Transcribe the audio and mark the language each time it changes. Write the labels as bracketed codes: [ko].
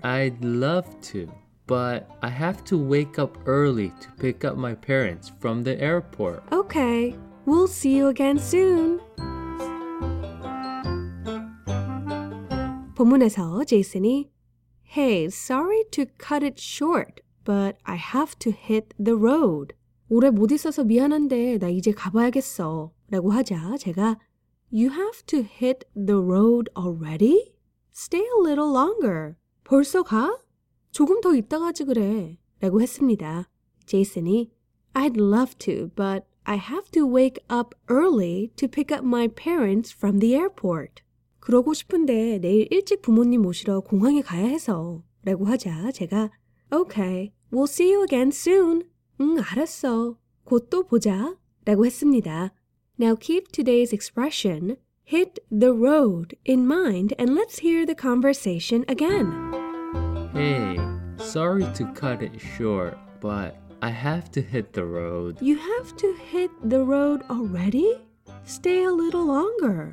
[en] I'd love to, but I have to wake up early to pick up my parents from the airport. Okay, we'll see you again soon. [ko] 본문에서 제이슨이 [en] Hey, sorry to cut it short, but I have to hit the road. [ko] 오래 못 있어서 미안한데 나 이제 가봐야겠어 라고 하자 제가 [en] You have to hit the road already? Stay a little longer. [ko] 벌써 가? 조금 더 있다 가지 그래 라고 했습니다. 제이슨이 [en] I'd love to, but I have to wake up early to pick up my parents from the airport. [ko] 그러고 싶은데 내일 일찍 부모님 모시러 공항에 가야 해서 라고 하자 제가 [en] Okay, we'll see you again soon. [ko] 응, 알았어. 곧 또 보자 라고 했습니다. [en] Now keep today's expression, hit the road, in mind and let's hear the conversation again. Hey, sorry to cut it short, but I have to hit the road. You have to hit the road already? Stay a little longer.